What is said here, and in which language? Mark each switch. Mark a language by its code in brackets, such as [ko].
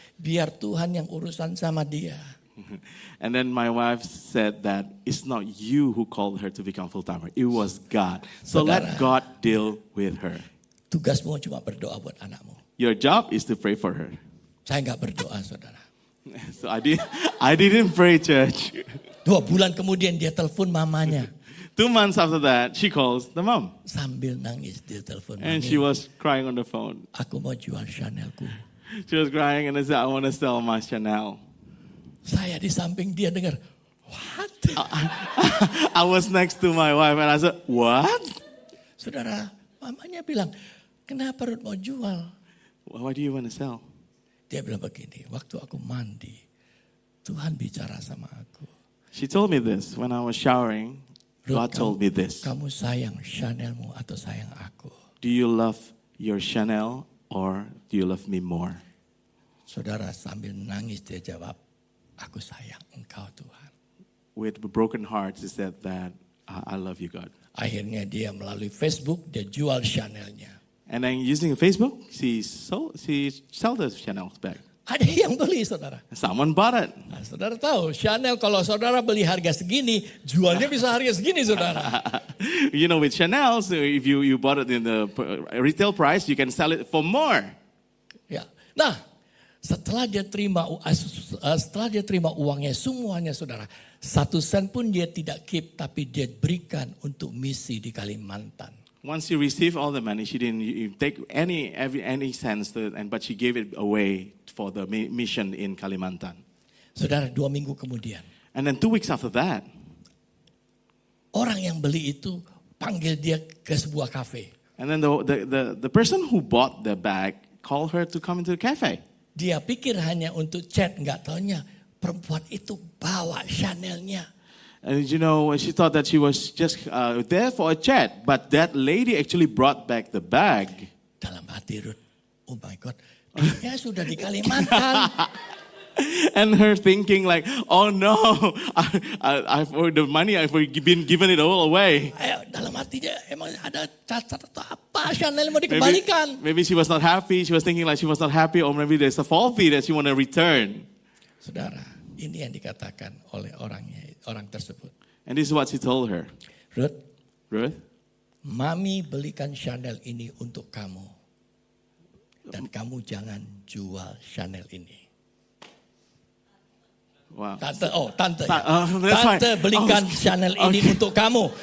[id] Biar Tuhan yang urusan sama dia. [en] And then my wife said that it's not you who called her to become full-timer. It was God. So saudara, let God deal with her. [id] Tugasmu cuma berdoa buat anakmu. [en] Your job is to pray for her. [id] Saya enggak berdoa, saudara. [en] So I didn't pray, church. [id] 2 bulan kemudian dia telepon mamanya. [en] 2 months after that, she calls the mom. [id] Sambil nangis dia telepon [en] mamanya. And she was crying on the phone. [id] Aku mau jual Chanelku. [en] She was crying and I said, I want to sell my Chanel. [id] Saya di samping dia dengar, what? [en] I was next to my wife and I said, what? [id] Saudara, mamanya bilang, kenapa Ruth mau jual? [en] Why do you want to sell? [id] Dia bilang begini, waktu aku mandi, Tuhan bicara sama aku. [en] She told me this, when I was showering, Ruth, God told me this. [id] Kamu sayang Chanelmu atau sayang aku? [en] Do you love your Chanel or do you love me more? [id] Saudara, sambil nangis dia jawab, aku sayang engkau Tuhan. [en] With broken hearts, he said that I love you, God. [id] Akhirnya dia melalui Facebook dia jual Chanelnya. [en] And then using Facebook, she sold the Chanel back. [id] Ada yang beli, saudara. [en] Someone bought it. [id] Nah, saudara tahu Chanel kalau saudara beli harga segini, jualnya bisa harga segini, saudara. [en] You know, with Chanel, so if you bought it in the retail price, you can sell it for more. [id] Ya, nah. Setelah dia terima uangnya semuanya, saudara, 1 sen pun dia tidak keep, tapi dia berikan untuk misi di Kalimantan. [en] Once she received all the money, she didn't take any cents, but she gave it away for the mission in Kalimantan. [id] Saudara, 2 minggu kemudian. [en] And then 2 weeks after that, [id] orang yang beli itu panggil dia ke sebuah kafe. [en] And then the person who bought the bag called her to come into the cafe. [id] Dia pikir hanya untuk chat, enggak taunya perempuan itu bawa Chanelnya. [en] And you know, she thought that she was just there for a chat, but that lady actually brought back the bag. [id] Dalam hati Ruth, [en] oh my God, [id] dia sudah di Kalimantan. [en] And her thinking like, oh no, I've been given it all away. [id] Dalam hatinya emang ada cacat atau apa Chanel mau dikembalikan? [en] Maybe she was not happy. She was thinking like she was not happy, or maybe there's a faulty that she want to return. [id] Saudara, ini yang dikatakan oleh orang tersebut. [en] And this is what she told her. [id] Ruth, mami belikan Chanel ini untuk kamu, dan kamu jangan jual Chanel ini. [en] Wow. [id] Tante belikan Chanel ini okay. Untuk kamu.